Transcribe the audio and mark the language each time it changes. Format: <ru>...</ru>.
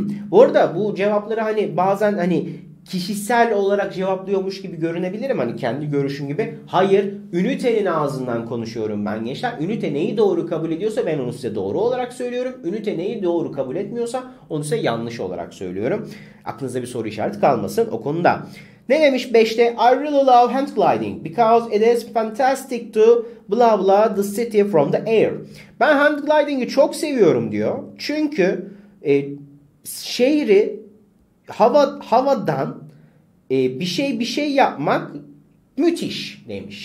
<tr>Bu arada bu cevapları hani bazen hani kişisel olarak cevaplıyormuş gibi görünebilirim. Hani kendi görüşüm gibi. Hayır, ünitenin ağzından konuşuyorum ben gençler. Ünite neyi doğru kabul ediyorsa ben onu size doğru olarak söylüyorum. Ünite neyi doğru kabul etmiyorsa onu size yanlış olarak söylüyorum. Aklınızda bir soru işareti kalmasın o konuda. Ne demiş 5'te?</tr> <en>I really love hand gliding because it is fantastic to blah blah the city from the air.</en> <tr>Ben hand gliding'i çok seviyorum diyor. Çünkü şehri havadan bir şey yapmak müthiş demiş.</tr>